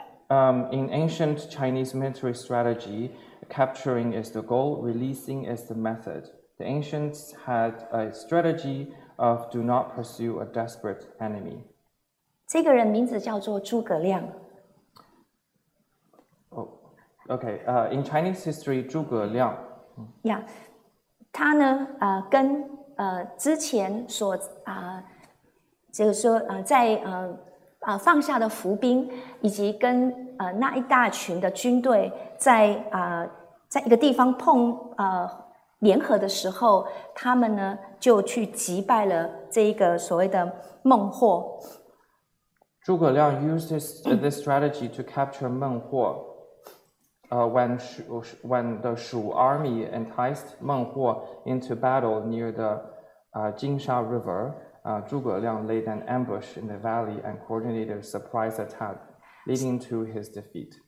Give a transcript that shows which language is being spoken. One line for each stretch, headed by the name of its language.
English: In ancient Chinese military strategy, capturing is the goal, releasing is the method. The ancients had a strategy of do not pursue a desperate enemy.
Chinese: 这个人名字叫做诸葛亮。
English: Oh, okay. In Chinese history, 诸葛亮。
Chinese: Yeah, 他呢，跟之前所就是说，在放下的伏兵，以及跟那一大群的军队在一个地方碰联合的时候，他们呢就去击败了这一个所谓的孟获。
English: 诸葛亮 used this strategy to capture 孟获。 When the Shu army enticed 孟获 into battle near the Jingsha River. 诸葛亮 laid an ambush in the valley and coordinated a surprise attack, leading to his defeat.